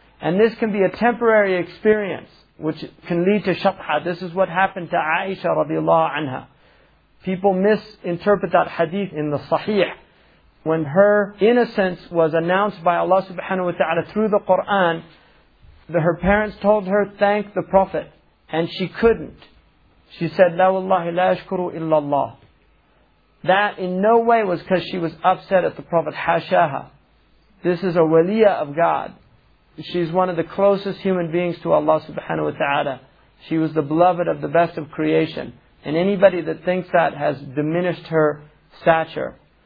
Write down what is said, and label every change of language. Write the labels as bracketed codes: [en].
[en] And this can be a temporary experience, which can lead to shakha. This is what happened to Aisha radiallahu anha. People misinterpret that hadith in the Sahih. When her innocence was announced by Allah subhanahu wa ta'ala through the Qur'an, her parents told her, thank the Prophet. And she couldn't. She said, [ar] لا والله لا أشكر إلا الله. [en] That in no way was because she was upset at the Prophet Hashaha. This is a waliya of God. She's one of the closest human beings to Allah subhanahu wa ta'ala. She was the beloved of the best of creation. And anybody that thinks that has diminished her stature.